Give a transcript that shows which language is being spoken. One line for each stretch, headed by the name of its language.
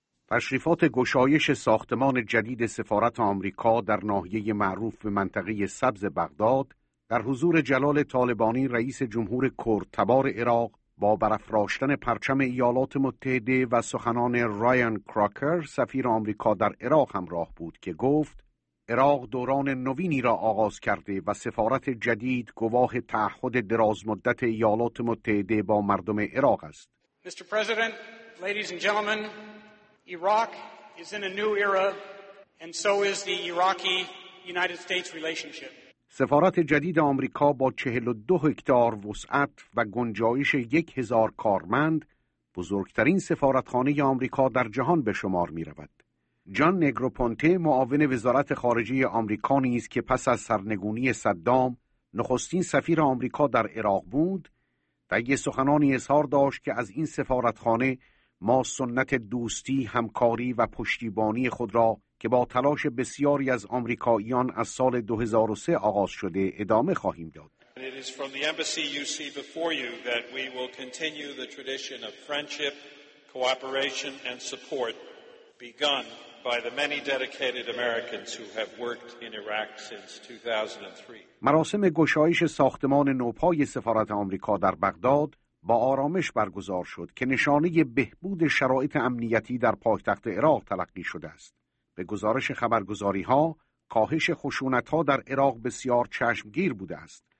Persian: تشریفات گشایش ساختمان جدید سفارت آمریکا در ناحیه معروف به منطقه سبز بغداد در حضور جلال طالبانی رئیس جمهور کردتبار عراق با برافراشتن پرچم ایالات متحده و سخنان رایان کراکر سفیر آمریکا در عراق همراه بود که گفت عراق دوران نوینی را آغاز کرده و سفارت جدید گواه تعهد دراز مدت ایالات متحده با مردم عراق است.
English: Mr. President, ladies and gentlemen, Iraq is in a new era and so is the Iraqi-United States relationship.
Persian: سفارت جدید آمریکا با 42 هکتار وسعت و گنجایش 1000 کارمند بزرگترین سفارتخانه آمریکا در جهان به شمار می رود. جان نگروپونته معاون وزارت خارجه آمریکا نیز که پس از سرنگونی صدام نخستین سفیر آمریکا در عراق بود، در یه سخنانی اظهار داشت که از این سفارتخانه ما سنت دوستی، همکاری و پشتیبانی خود را که با تلاش بسیاری از آمریکاییان از سال 2003 آغاز شده ادامه خواهیم داد.
English: It is from the embassy you see before you that we will continue the tradition of friendship, cooperation and support begun by the many dedicated Americans who have worked in Iraq since 2003.
Persian: مراسم گشایش ساختمان نوپای سفارت آمریکا در بغداد با آرامش برگزار شد که نشانه بهبود شرایط امنیتی در پایتخت عراق تلقی شده است. به گزارش خبرگزاری ها، کاهش خشونت ها در عراق بسیار چشمگیر بوده است.